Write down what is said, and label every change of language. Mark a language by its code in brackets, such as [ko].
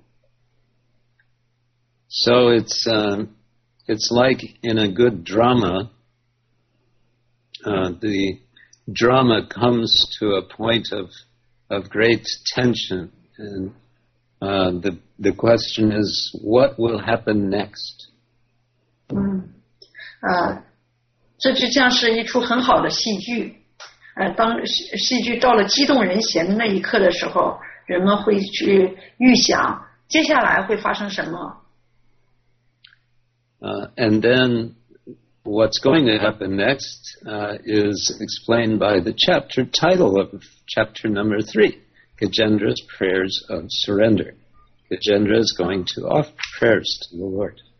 [zh] 我们可以说，嘎真者的最糟糕的处境已经过去了，因为他现在想起了主。 [en] So it's like in a good drama, the drama comes to a point of great tension, and the question is, what will happen next? [zh] 这就像是一出很好的戏剧，当戏剧到了激动人弦的那一刻的时候，人们会去预想接下来会发生什么。 [en] And then what's going to happen next is explained by the chapter title of chapter number 3, Gajendra's Prayers of Surrender. Gajendra is going to offer prayers to the Lord.